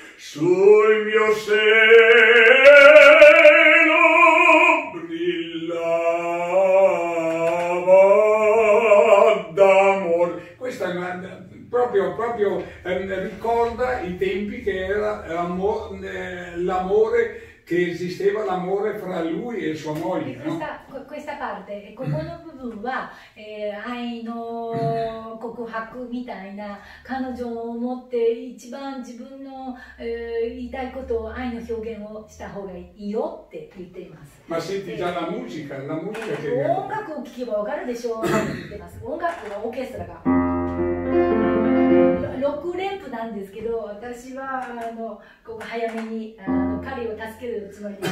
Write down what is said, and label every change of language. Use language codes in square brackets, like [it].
[it] sul mio seno brillava d'amor. Questa proprio ricorda i tempi che era l'amore che esisteva, l'amore fra lui e sua moglie. E questa parte, [ja] ここの部分は愛の告白みたいな、彼女を思って一番自分の言いたいことを愛の表現をした方がいいよって言っています。 [it] ma senti già la musica, la musica che [ja] 音楽を聞けばわかるでしょうって言ってます。音楽のオーケストラが6連符なんですけど、私はこう早めに彼を助けるつもりです。